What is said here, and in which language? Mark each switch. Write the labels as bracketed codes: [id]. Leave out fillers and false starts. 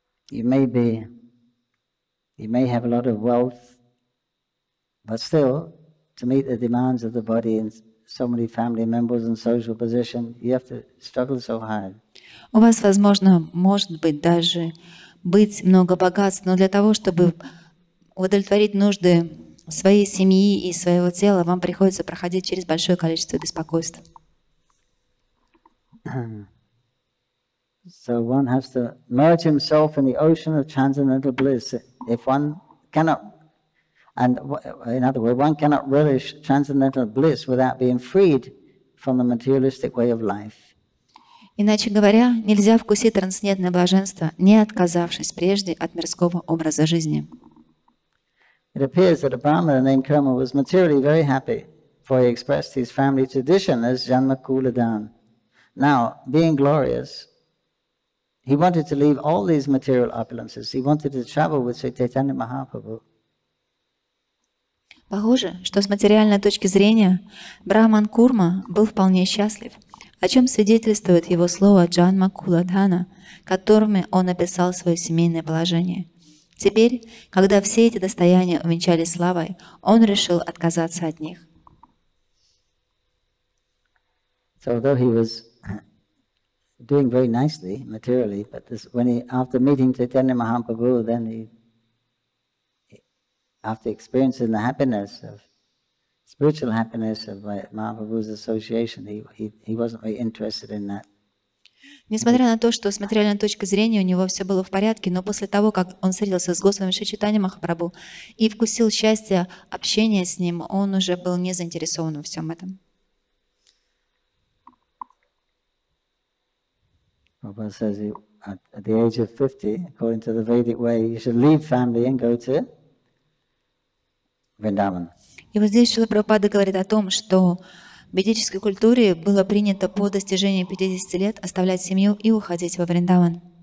[en] You may have a lot of wealth, but still, to meet the demands of the body and so many family members and social position, you have to struggle so hard. [ru] У вас возможно может быть даже быть много богатств, но для того чтобы удовлетворить нужды своей семьи и своего тела, вам приходится проходить через большое количество беспокойств. [en] So one has to merge himself in the ocean of transcendental bliss. If one cannot, and in other words, one cannot relish transcendental bliss without being freed from the materialistic way of life. [ru] Иначе говоря, нельзя вкусить трансцендентное блаженство, не отказавшись прежде от мирского образа жизни. [en] It appears that a Brahmana named Kurma was materially very happy, for he expressed his family tradition as Janmakuladan. Now, being glorious, he wanted to leave all these material opulences. He wanted to travel with Śrī Caitanya-mahāprabhu. [ru] Похоже, что с материальной точки зрения Брахман Курма был вполне счастлив, о чем свидетельствует его слово Джанма Куладхана, которыми он описал свое семейное положение. Теперь, когда все эти достояния увенчали славой, он решил отказаться от них. [en] So although he was doing very nicely materially, but this, when he, after meeting Caitanya Mahaprabhu, then he, after experiencing the happiness of spiritual happiness of Mahaprabhu's association, he wasn't very interested in that. [ru] Несмотря на то, что с материальной точки зрения у него все было в порядке, но после того, как он встретился с Господом Шри Чайтанья Махапрабху и вкусил счастье общения с ним, он уже был не заинтересован во всем этом. [en] Prabhupada says at the age of 50, according to the Vedic way, you should leave family and go to Vrindavan. [ru] И вот здесь Шрила Прабхупада говорит о том, что в ведической культуре было принято по достижении 50 лет оставлять семью и уходить во Вриндаван.